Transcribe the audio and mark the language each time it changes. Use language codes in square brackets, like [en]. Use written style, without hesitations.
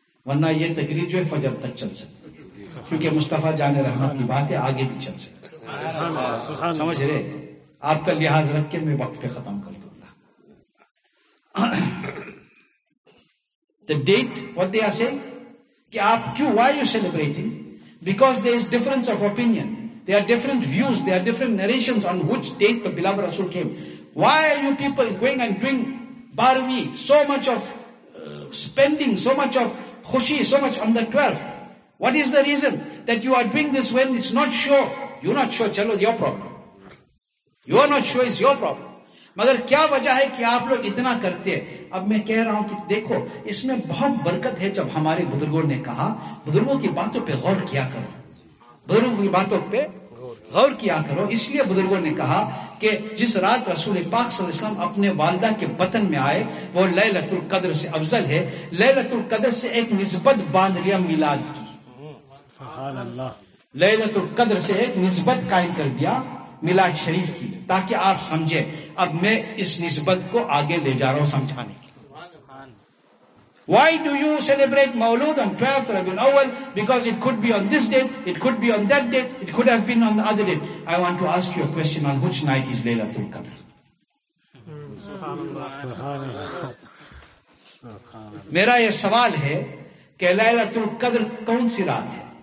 [ur] ورنہ یہ تقریر جو ہے فجر تک چل سکتا کیونکہ مصطفیٰ جان رحمت کی بات ہے آگے بھی چل سکتا سمجھ رہے آپ کا لحاظ رکھ کے میں وقت پہ ختم کر دوں گا [en] the date what they are saying [ur] کہ آپ کیوں [en] why are you celebrating because there is difference of opinion There are different views, there are different narrations on which date the beloved Rasul came. Why are you people going and doing barvi, so much of spending, so much of khushi, so much on the 12th? What is the reason that you are doing this when it's not sure? You're not sure, chalo, your problem. You are not sure, it's your problem. [ur] Magar kya wajah hai ki aap log itna karte hai? Ab main keh raha hu ki dekho, isme bahut barkat hai jab hamare budurgon ne kaha, budurgon ki baaton pe gaur kiya karo. بزرگوں کی باتوں پہ غور کیا کرو اس لیے بزرگوں نے کہا کہ جس رات رسول پاک صلی اللہ علیہ وسلم اپنے والدہ کے بطن میں آئے وہ لیلۃ القدر سے افضل ہے لیلۃ القدر سے ایک نسبت باندھ لیا میلاد کی سبحان اللہ لیلۃ القدر سے ایک نسبت قائم کر دیا میلاد شریف کی تاکہ آپ سمجھے اب میں اس نسبت کو آگے لے جا رہا ہوں سمجھانے کی [en] Why do you celebrate Maulud on 12th Rabiul Awwal? Because it could be on this day, it could be on that day, it could have been on the other day. I want to ask you a question: on which night is Laylatul Qadr? [ur] Mera ye sawal hai ke Laylatul Qadr kaun si raat hai?